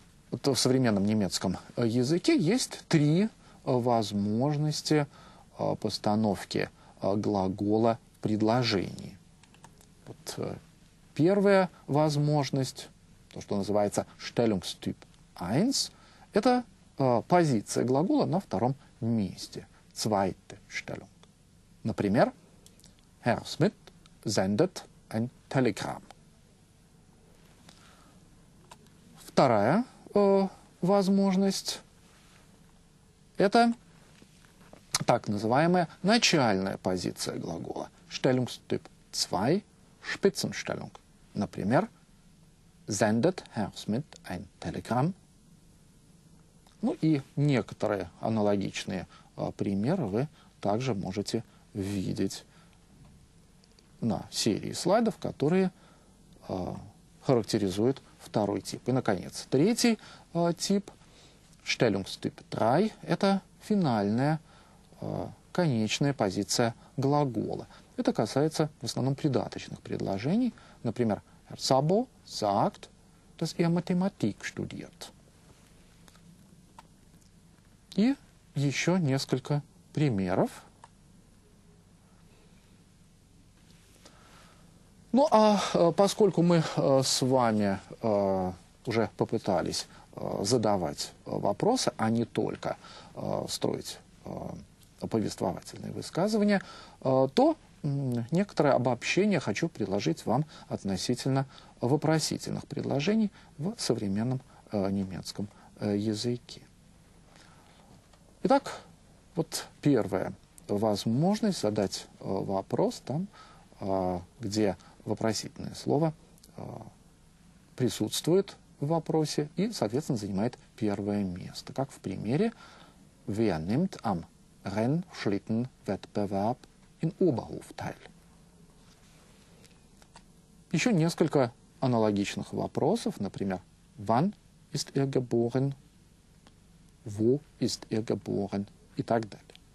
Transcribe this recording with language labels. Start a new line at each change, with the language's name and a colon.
Russian: Вот в современном немецком языке есть 3 возможности постановки глагола в предложении. Вот первая возможность, то, что называется Stellungstyp 1, это позиция глагола на втором месте.
German: Zweite Stellung.
Russian: Например,
German: Herr Schmidt sendet ein Telegramm.
Russian: Вторая возможность – это так называемая начальная позиция глагола.
German: Stellungstyp 2 – Spitzenstellung.
Russian: Например,
German: sendet Herr Schmidt ein Telegramm.
Russian: Ну и некоторые аналогичные примеры вы также можете видеть на серии слайдов, которые характеризуют второй тип. И, наконец, третий тип, Stellungstyp 3, это финальная, конечная позиция глагола. Это касается в основном придаточных предложений. Например,
German: Herr Szabo sagt, dass er Mathematik studiert.
Russian: И еще несколько примеров. Ну, а поскольку мы с вами уже попытались задавать вопросы, а не только строить повествовательные высказывания, то некоторое обобщение хочу предложить вам относительно вопросительных предложений в современном немецком языке. Итак, вот первая возможность задать вопрос там, где вопросительное слово присутствует в вопросе и, соответственно, занимает первое место. Как в примере
German: «Wer nimmt am Rennschlittenwettbewerb in Oberhof teil?»
Russian: Еще несколько аналогичных вопросов, например,
German: «Wann ist er geboren?» «Wo ist er geboren?»
Russian: и так далее.